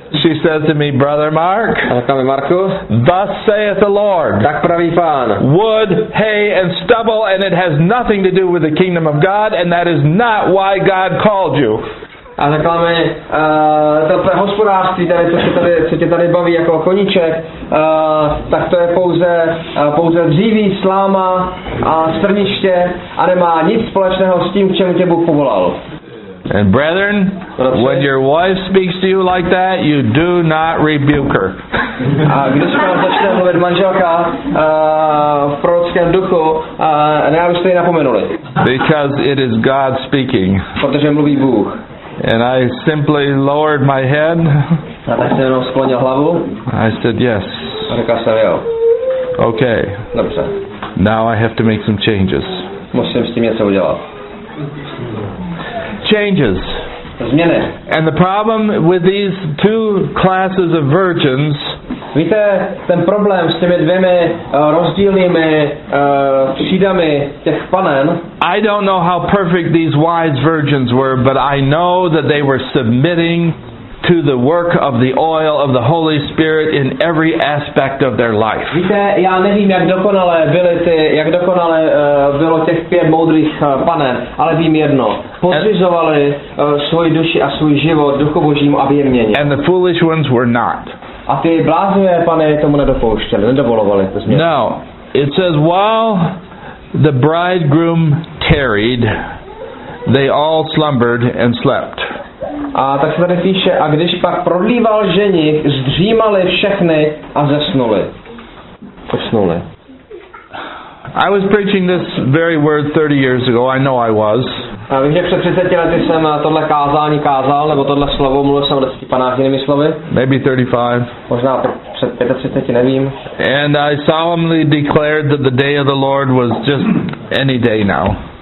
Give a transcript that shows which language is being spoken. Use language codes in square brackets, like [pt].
[en] She said to me, Brother Mark, thus saith the Lord, [cs] tak praví pán, [en] wood, hay, and stubble, and it has nothing to do with the kingdom of God, and that is not why God called you. [cs] A řekla mi, to hospodářství, tady, to, co tě tady baví jako koníček, tak to je pouze dříví, sláma a strniště a nemá nic společného s tím, k čemu tě Bůh povolal. [en] And brethren, when your wife speaks to you like that, you do not rebuke her. [cs] A když se vám začne mluvit manželka v prorockém duchu, nejabyste ji napomenuli. [en] Because it is God speaking. [cs] Protože mluví Bůh. [en] And I simply lowered my head. [cs] A tak jsem jenom sklonil hlavu. [en] I said yes. [cs] A řekl jsem jo. [en] Okay. [cs] Dobře. [en] Now I have to make some changes. [cs] Musím s tím něco udělat. [en] Changes. [cs] Změny. [en] And the problem with these two classes of virgins. [cs] Víte, ten problém s těmi dvěmi rozdílnými třídami těch panen. [en] I don't know how perfect these wise virgins were, but I know that they were submitting to the work of the oil of the Holy Spirit in every aspect of their life. [cs] Víte, já nevím, jak dokonale bylo těch pět moudrých panen, ale vím jedno. Podřizovali svoji duši a svůj život Duchu Božímu, aby je měnil. [en] And the foolish ones were not. [cs] A ty bláznivé pany tomu nedopouštěli, nedovolovali to změnit. [en] No, it says, while the bridegroom tarried, they all slumbered and slept. [cs] A tak se tady píše, a když pak prodlíval ženich, zdřímali všechny a zesnuli. Zesnuli. [en] I was preaching this very word 30 years ago, I know I was. [cs] A vím, že před 30 lety jsem tohle kázání kázal, nebo tohle slovo, mluvil jsem o deseti panách jinými slovy. [en] Maybe 35. [cs] Možná před 35, nevím. [en] And I solemnly declared that the day of the Lord was just any day now.